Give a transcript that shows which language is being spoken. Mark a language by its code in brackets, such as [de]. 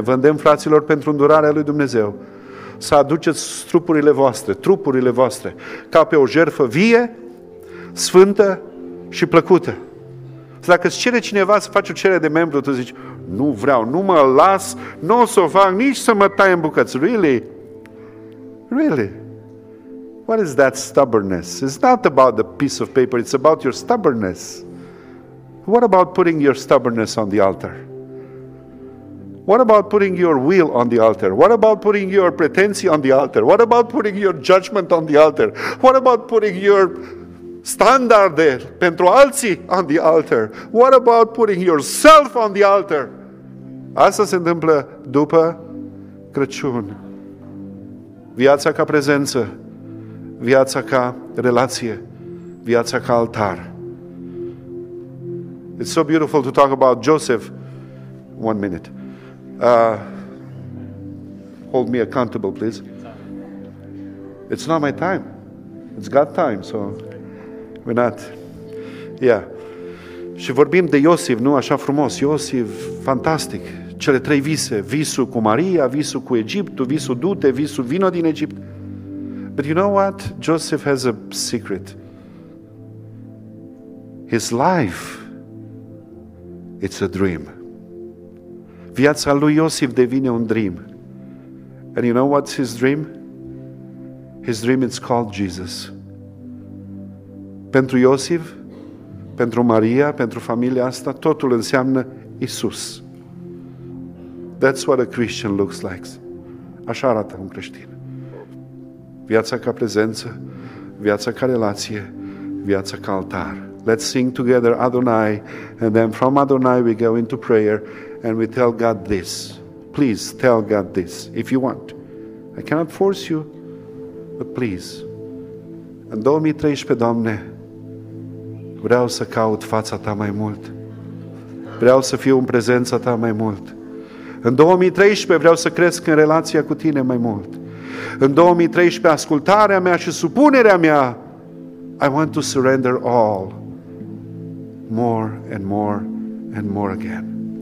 [ro] Vândem fraților pentru îndurarea lui Dumnezeu. Să aduceți trupurile voastre, ca pe o jertfă vie, sfântă și plăcută. Și dacă îți cere cineva să faci o cerere de membru, tu zici, nu vreau, nu mă las, nu o să o fac, nici să mă tai în bucăți. [en] Really? Really? What is that stubbornness? It's not about the piece of paper, it's about your stubbornness. What about putting your stubbornness on the altar? What about putting your will on the altar? What about putting your pretensie on the altar? What about putting your judgment on the altar? What about putting your [ro] standarde pentru alții [en] on the altar? What about putting yourself on the altar? [ro] Asta se întâmplă după Crăciun. Viața ca prezență, viața ca relație, viața ca altar. [en] It's so beautiful to talk about Joseph. One minute. Hold me accountable, please. It's not my time. It's God's time, so we're not. [ro] Yeah. Și vorbim de Iosif, nu? Așa frumos. Iosif, fantastic. Cele trei vise. Visul cu Maria, visul cu Egiptul, visul du-te, visul vino din Egipt. [en] But you know what? Joseph has a secret. His life, it's a dream. [ro] Viața lui Iosif devine un dream. [en] And you know what's his dream? His dream is called Jesus. [ro] Pentru Iosif, pentru Maria, pentru familia asta, totul înseamnă Isus. [en] That's what a Christian looks like. [ro] Așa arată un creștin. Viața ca prezență, viața ca relație, viața ca altar. [en] Let's sing together Adonai, and then from Adonai we go into prayer and we tell God this. Please tell God this if you want. I cannot force you, but please. [ro] În 2013, Doamne, vreau să caut fața Ta mai mult. Vreau să fiu în prezența Ta mai mult. În 2013 vreau să cresc în relația cu Tine mai mult. În 2013, ascultarea mea și supunerea mea, [en] I want to surrender all more and more and more again.